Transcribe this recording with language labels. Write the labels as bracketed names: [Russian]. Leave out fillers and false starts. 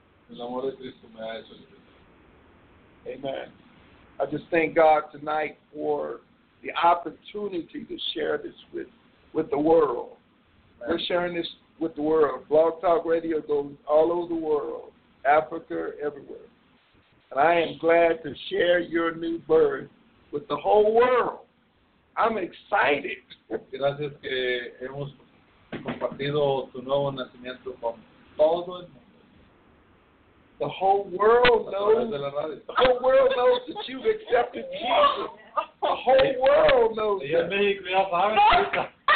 [Spanish] El amor de Cristo me ha hecho libre. Amen. [English] I just thank God tonight for the opportunity to share this with the world. Amen. We're sharing this with the world. Blog Talk Radio goes all over the world, Africa, everywhere. And I am glad to share your new birth with the whole world. I'm excited. [Spanish] Gracias que hemos compartido tu nuevo nacimiento con todo el mundo. [English] The whole world knows. The whole world knows that you've accepted Jesus. The whole world knows that.